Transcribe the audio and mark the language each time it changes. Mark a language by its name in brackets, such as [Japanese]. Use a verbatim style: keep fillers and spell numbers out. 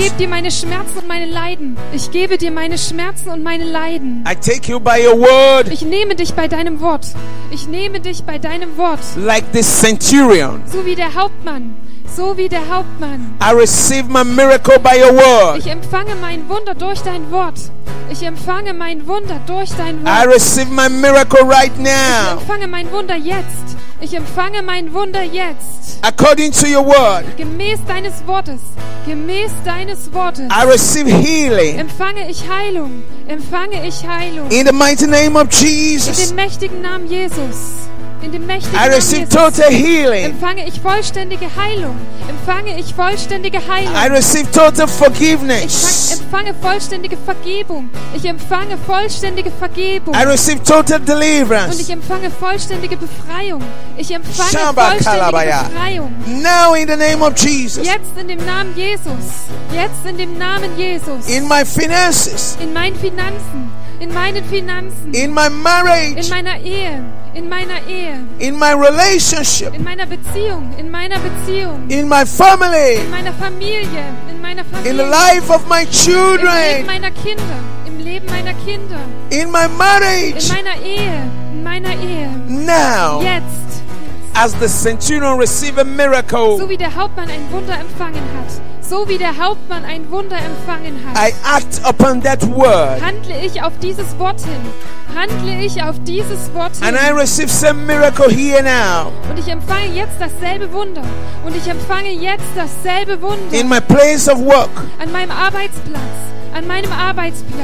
[German] Ich gebe dir meine Schmerzen und meine Leiden. Ich gebe dir meine Schmerzen und meine Leiden. [English] I take you by your word. [German] Ich nehme dich bei deinem Wort. Ich nehme dich bei deinem Wort. [English] Like this centurion. [German] So wie der Hauptmann. So wie der Hauptmann. [English] I receive my miracle by your word. [German] Ich empfange mein Wunder durch dein Wort. Ich empfange mein Wunder durch dein Wort. [English] I receive my miracle right [German] Ich [English] now. [German] empfange mein Wunder jetzt. Ich empfange mein Wunder jetzt. [English] According to your word. [German] Gemäß deines Wortes. Gemäß deines Wortes. [English] I receive healing. [German] Empfange ich Heilung. Empfange ich Heilung. [English] In the mighty name of [German] In [English] Jesus. [German] dem mächtigen Namen Jesus. In dem mächtigen [English] I [German] Namen [English] receive [German] Jesus [English] total healing. [German] empfange ich vollständige Heilung. Empfange ich vollständige Heilung. [English] I receive total forgiveness. [German] Ich empfange, empfange vollständige Vergebung. Ich empfange vollständige Vergebung. [English] I receive total deliverance. [German] Und ich empfange vollständige Befreiung. Ich empfange Shamba vollständige Kalabaya. Befreiung. [English] Now in the name of Jesus. [German] Jetzt in dem Namen Jesus. Jetzt in dem Namen Jesus. [English] In my finances. [German] In meinen Finanzen. In meinen Finanzen. [English] In my marriage. [German] In meiner Ehe. In meiner Ehe. [English] In my relationship. [German] In meiner Beziehung. In meiner Beziehung. [English] In my family. [German] In meiner Familie. In meiner [English] In the [German] Familie. [English] life of my children. [German] Im Leben meiner Kinder. Im Leben meiner Kinder. [English] In my marriage. [German] In meiner Ehe. In meiner Ehe. [English] Now. [German] Jetzt. [English] As the centurion receive a miracle. [German] So wie der Hauptmann ein Wunder empfangen hat. So wie der Hauptmann ein Wunder empfangen hat. [English] I act upon that word. [German] Handle ich auf dieses Wort hin. Handle ich auf dieses Wort hin. [English] And I receive same miracle here now. [German] Und ich empfange jetzt dasselbe Wunder. Und ich empfange jetzt dasselbe Wunder. [English] In my place of work. [German] An meinem Arbeitsplatz. An meinem Arbeitsplatz.